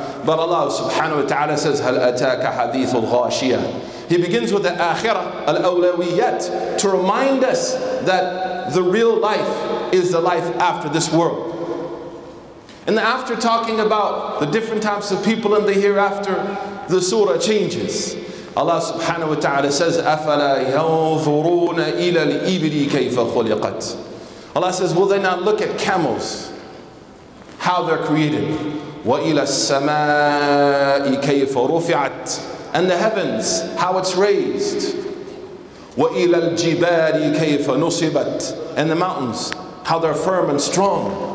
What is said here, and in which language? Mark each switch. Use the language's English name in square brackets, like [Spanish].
[English] But Allah subhanahu wa ta'ala says, [Arabic] هَلْ أَتَاكَ حَدِيثُ الْغَاشِيَةِ. [English] He begins with the akhirah, al-awlawiyyat, to remind us that the real life is the life after this world. And after talking about the different types of people in the hereafter, the surah changes. Allah subhanahu wa ta'ala says, [Arabic] أَفَلَا يَنْظُرُونَ إِلَى الْإِبْلِ كَيْفَ خُلِقَتْ. [English] Allah says, will they not look at camels, how they're created? [Arabic] وَإِلَى السَّمَاءِ كَيْفَ رُفِعَتْ. [English] And the heavens, how it's raised. [Arabic] وَإِلَى الْجِبَالِ كَيْفَ نُصِبَتْ. [English] And the mountains, how they're firm and strong.